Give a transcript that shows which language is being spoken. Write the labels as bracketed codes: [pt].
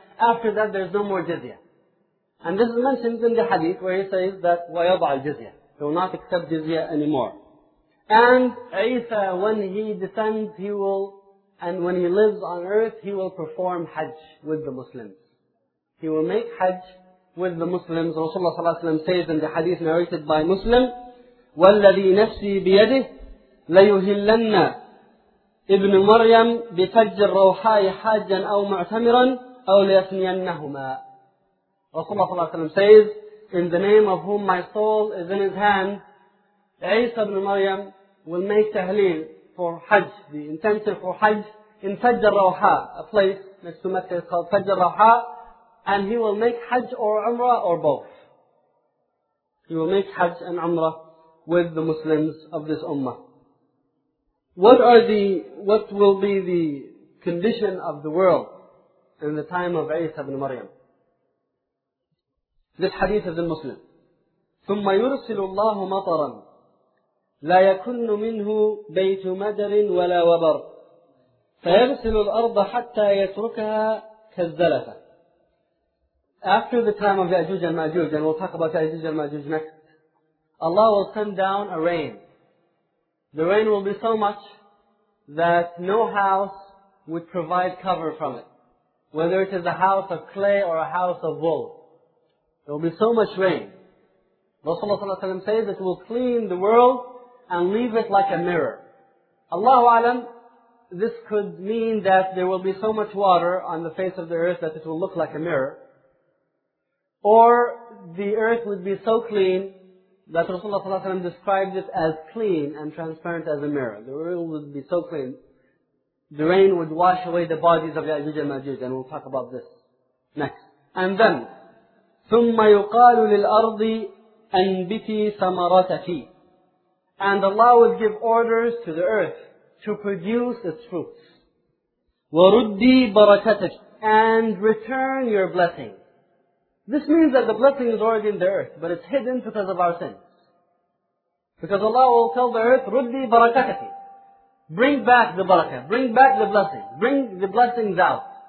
[en] After that, there's no more jizya. And this is mentioned in the hadith where he says that [ar] وَيَضَعَ الْجِزْيَةَ, [en] he will not accept jizya anymore. And Isa, when he descends, he will, and when he lives on earth, he will perform hajj with the Muslims. He will make hajj with the Muslims. Rasulullah sallallahu alayhi wa sallam says in the hadith narrated by Muslim, [ar] وَالَّذِي نَفْسِي بِيَدِهِ لَيُهِلَّنَّ إِبْنُ مَرْيَمْ بِفَجِّ الرَّوْحَاءِ حَاجًا أَوْ مُعْتَمِرًا أَوْ لَيَثْنِيَنَّهُمَا. [en] Rasulullah sallallahu alayhi wa sallam says, in the name of whom my soul is in his hand, Isa ibn Maryam will make tahleel for hajj, the intention for hajj, in Fajj al-Rawha, a place next to Mecca is called Fajj al-Rawha, and he will make hajj or umrah or both. He will make hajj and umrah with the Muslims of this ummah. What will be the condition of the world in the time of Isa ibn Maryam? This hadith is in Muslim. [ar] ثم يرسل الله مطرا لا يكن منه بيت مدر ولا وبر فيرسل الأرض حتى يتركها كالزلفة. [en] After the time of Ya'juj and Ma'juj, and we'll talk about Ya'juj and Ma'juj next, Allah will send down a rain. The rain will be so much that no house would provide cover from it, whether it is a house of clay or a house of wool. There will be so much rain. Rasulullah ﷺ says it will clean the world and leave it like a mirror. Allahu alam, this could mean that there will be so much water on the face of the earth that it will look like a mirror. Or the earth would be so clean that Rasulullah ﷺ described it as clean and transparent as a mirror. The world would be so clean. The rain would wash away the bodies of Ya'juj and Ma'juj, and we'll talk about this next. And then, [ar] ثم يقال للأرض أنبتي ثمرتك. [en] And Allah would give orders to the earth to produce its fruits. [ar] وردي بركتك, [en] and return your blessing. This means that the blessing is already in the earth, but it's hidden because of our sins. Because Allah will tell the earth, [ar] ردي بركتك, [en] bring back the barakah, bring back the blessing, bring the blessings out.